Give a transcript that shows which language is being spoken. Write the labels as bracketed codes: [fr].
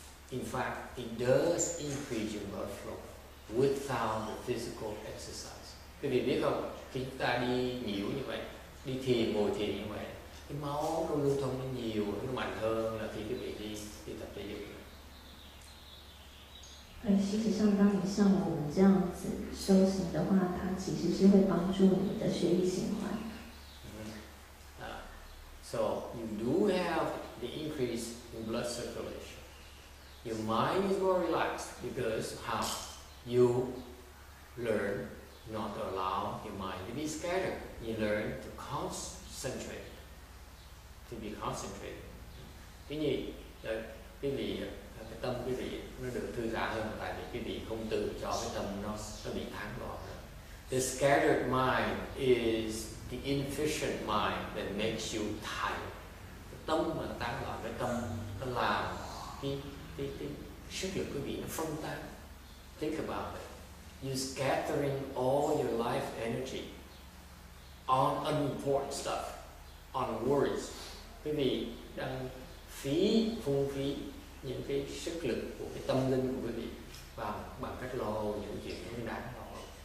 [en] In fact, it does increase your blood flow without the physical exercise. [vi] Quý vị biết không? Khi chúng ta đi nhiều như vậy, đi thiền, ngồi thiền như vậy, cái máu nó lưu thông nó nhiều, nó mạnh hơn là khi quý vị đi, đi tập thể dục. [zh] 事实上，当你像我们这样子修行的话，它其实是会帮助你的血液循环。 [en] So you do have the increase in blood circulation. Your mind is more relaxed because how you learn not to allow your mind to be scattered. You learn to concentrate, to be concentrated. [vi] Thứ nhì, cái gì? Cái tâm quý vị nó được thư giãn hơn tại vì quý vị không tự cho cái tâm nó bị tán loạn. [en] The scattered mind is the inefficient mind that makes you tired. [vi] Cái tâm mà nó tán loạn, cái tâm nó làm cái sức lực quý vị nó phân tán. [en] Think about it. You're scattering all your life energy on unimportant stuff, on worries. [vi] Quý vị đang phung phí những cái sức lực của cái tâm linh của quý vị và bằng cách lo những chuyện không đáng lo.